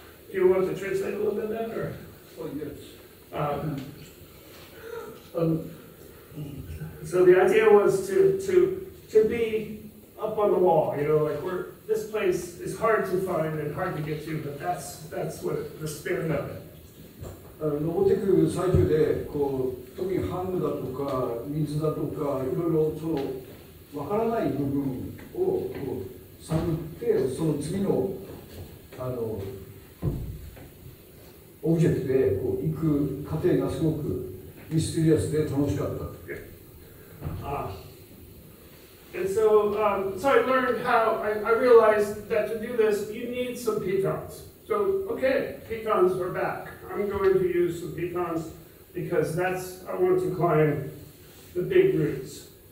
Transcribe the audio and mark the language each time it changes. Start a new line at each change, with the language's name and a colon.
English: Do you want to translate a little bit of that, or? Oh, yes. So the idea was to be up on the wall, you know, like we're, this place is hard to find and hard to get to, but that's what the spirit of it.
Japanese: 登ってくる最中でこう特にハングだとか水だとかいろいろそのわからない部分をこう探って、その次の、オブジェクトでこう行く過程がすごくミステリアスで楽しかった。
English: And so, so I learned how, I realized that to do this, you need some pitons. So, okay, pitons are back. I'm going to use some pitons because that's, I want to climb the big roots.